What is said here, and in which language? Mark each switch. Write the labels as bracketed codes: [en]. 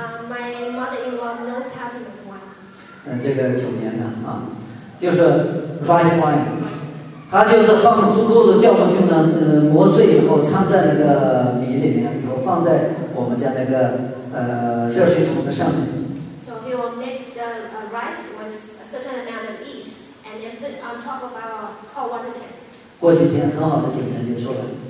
[en] My mother-in-law knows how to make wine. [zh] 这个酒莲呢，就是 [en] rice wine， [zh] 它就是放足够的酵母菌呢，磨碎以后掺在那个米里面，然后放在我们家那个热水桶的上面。 [en] So he will mix the rice with a certain amount of yeast and then put on top of our hot water tank. [zh] 过几天，很好的酒莲就出来了。